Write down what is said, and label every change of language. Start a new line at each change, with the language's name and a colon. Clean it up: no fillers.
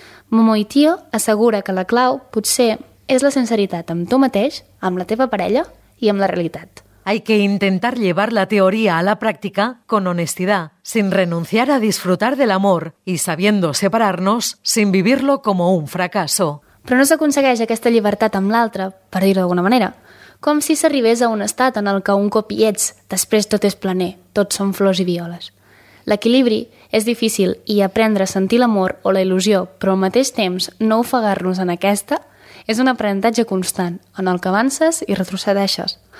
Catalan: Momoitio assegura que la clau, potser, és la sinceritat amb tu mateix, amb la teva parella i amb la realitat.
Spanish: Hay que intentar llevar la teoría a la práctica con honestidad, sin renunciar a disfrutar del amor y sabiendo separarnos sin vivirlo como un fracaso.
Catalan: Però no s'aconsegueix aquesta llibertat amb l'altre, per dir-ho d'alguna manera. Com si s'arribés a un estat en el que un cop hi ets, després tot és planer, tot són flors i violes. L'equilibri és difícil i aprendre a sentir l'amor o la il·lusió, però al mateix temps no ofegar-nos en aquesta, és un aprenentatge constant, en el que avances i retrocedeixes.